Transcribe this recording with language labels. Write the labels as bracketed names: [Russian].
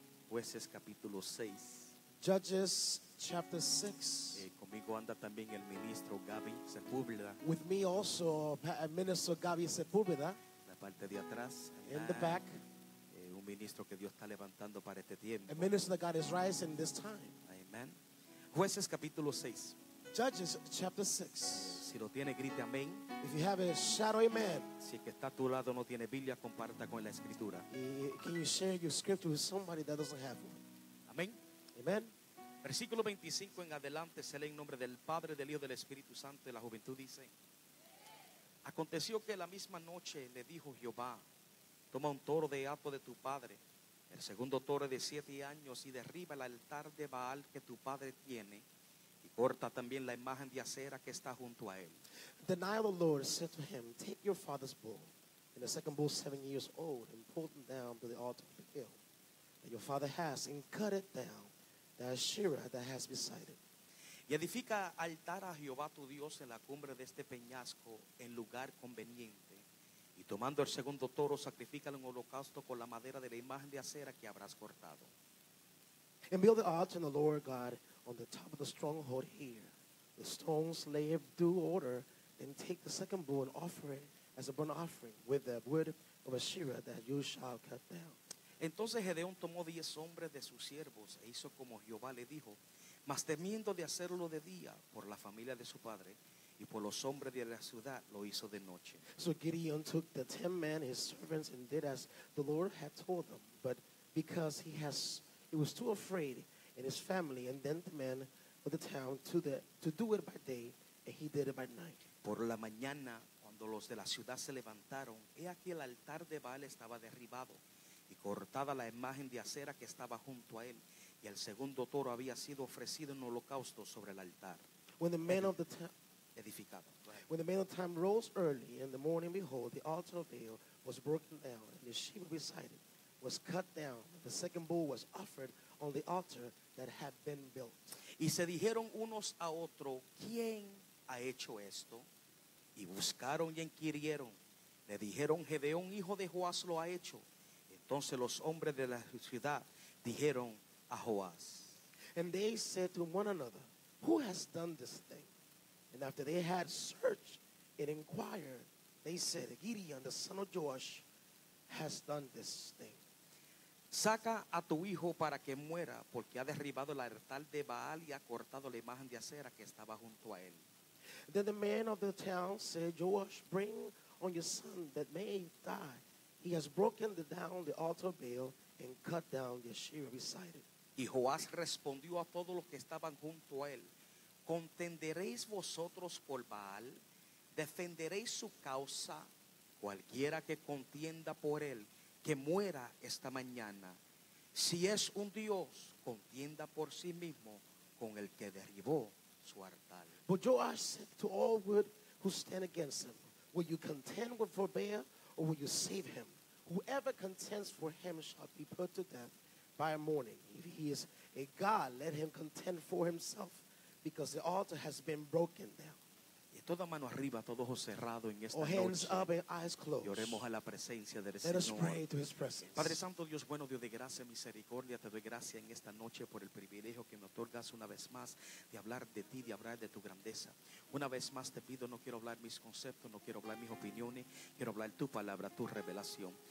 [Spanish] Jueces, capítulo 6, [English] Judges, chapter 6. [Spanish] Conmigo anda también el ministro Gaby Sepúlveda. [English] With me also, Minister Gaby Sepúlveda. [Spanish] La parte de atrás. [English] In the back. [Spanish] Un ministro que Dios está levantando para este tiempo. [English] A minister that God is rising this time. [Spanish] Amen. Jueces capítulo 6. [English] Judges chapter 6. [Spanish] Si lo tiene, grite amén. [English] If you have a shout, amen. [Spanish] Si que está a tu lado no tiene Biblia, comparta con la escritura. [English] Can you share your scripture with somebody that doesn't have one? [Spanish] Amén. [English] Amen. [Spanish] Versículo 25 en adelante, se lee en nombre del Padre, del Hijo, del Espíritu Santo, de la juventud, dice: Aconteció que la misma noche le dijo Jehová: Toma un toro de hato de tu padre, el segundo toro de 7 años, y derriba el altar de Baal que tu padre tiene, y corta también la imagen de acera que está junto a él. [English] Then the Lord said to him, Take your father's bull, and the second bull 7 years old, and pull them down to the altar of the hill that your father has, and cut it down, the Asherah that has beside it. [Spanish] Y edifica altar a Jehová tu Dios en la cumbre de este peñasco, en lugar conveniente. Y tomando el segundo toro, sacrificalo en holocausto con la madera de la imagen de acera que habrás cortado. [English] And build the altar in the Lord God on the top of the stronghold here. The stones lay in due order, then take the second bull and offer it as a burnt offering with the wood of Asherah that you shall cut down. [Spanish] Entonces Gedeón tomó 10 hombres de sus siervos e hizo como Jehová le dijo, mas temiendo de hacerlo de día por la familia de su padre, y por los hombres de la ciudad lo hizo de noche. [English] So Gideon took the 10 men, his servants, and did as the Lord had told them. But because he was too afraid in his family, and then the men of the town to do it by day, and he did it by night. [Spanish] Por la mañana, cuando los de la ciudad se levantaron, he aquí el altar de Baal estaba derribado, y cortada la imagen de acera que estaba junto a él, y el segundo toro había sido ofrecido en holocausto sobre el altar. [English] When the men of the town [Spanish] edificado. [English] When the man of time rose early in the morning, behold, the altar of Baal was broken down, and the sheep beside it was cut down. The second bull was offered on the altar that had been built. [Spanish] Y se dijeron unos a otro, ¿quién ha hecho esto? Y buscaron y inquirieron. Le dijeron, Gedeón, hijo de Joás, lo ha hecho. Entonces los hombres de la ciudad dijeron a Joás. [English] And they said to one another, who has done this thing? And after they had searched and inquired, They said, Gideon, the son of Joash, has done this thing. [Spanish] Saca a tu hijo para que muera, porque ha derribado el altar de Baal y ha cortado la imagen de acera que estaba junto a él. [English] Then the man of the town said, Joash, bring on your son that may die. He has broken down the altar bale and cut down the Asherah beside it. [Spanish] Y Joás respondió a todos los que estaban junto a él. ¿Contenderéis vosotros por Baal? ¿Defenderéis su causa? Cualquiera que contienda por él, que muera esta mañana. Si es un Dios, contienda por sí mismo con el que derribó su altar. [English] But Joash said to all who stand against him, will you contend with for Baal or will you save him? Whoever contends for him shall be put to death by morning. If he is a god, let him contend for himself, because the altar has been broken down. [Spanish] Y toda mano arriba, todos ojos cerrados en esta noche. [English] All hands up and eyes closed. [Spanish] Lloremos a la presencia del [English] Señor. Let us pray to his presence. [Spanish] Padre Santo, Dios bueno, Dios de gracia, misericordia, te doy gracia en esta noche por el privilegio que me otorgas una vez más de hablar de ti, de hablar de tu grandeza. Una vez más te pido, no quiero hablar mis conceptos, no quiero hablar mis opiniones, quiero hablar tu palabra, tu revelación.